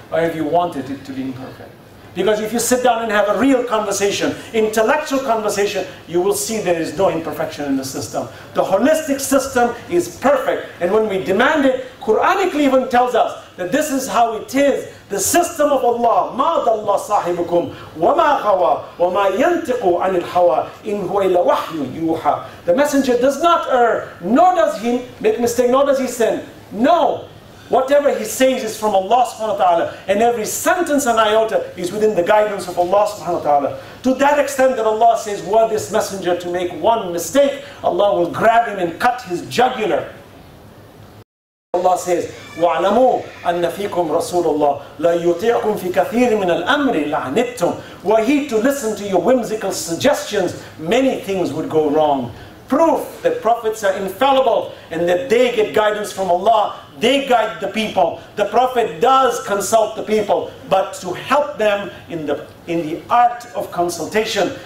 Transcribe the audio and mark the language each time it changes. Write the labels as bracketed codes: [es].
[en] Or have you wanted it to be imperfect? Because if you sit down and have a real conversation, intellectual conversation, you will see there is no imperfection in the system. The holistic system is perfect. And when we demand it, Quranically even tells us that this is how it is. The system of Allah, [ar] مَا ضَلَّ صَاحِبُكُمْ وَمَا غَوَى وَمَا يَنْتِقُ عَنِ الْحَوَى إِنْ هُوَ إِلَّا وَحْيٌ يُوحَى. [en] The messenger does not err, nor does he make mistake, nor does he sin. No. Whatever he says is from Allah subhanahu wa ta'ala, and every sentence and iota is within the guidance of Allah subhanahu wa ta'ala. To that extent that Allah says, were this messenger to make one mistake, Allah will grab him and cut his jugular. Allah says, [ar] وَعْلَمُوا أَنَّ فِيكُمْ رَسُولُ اللَّهِ لَا يُطِيعُكُمْ فِي كَثِيرٍ مِنَ الْأَمْرِ لَعْنِتُمْ. [en] Were he to listen to your whimsical suggestions, many things would go wrong. Proof that prophets are infallible and that they get guidance from Allah, they guide the people. The Prophet does consult the people, but to help them in the art of consultation.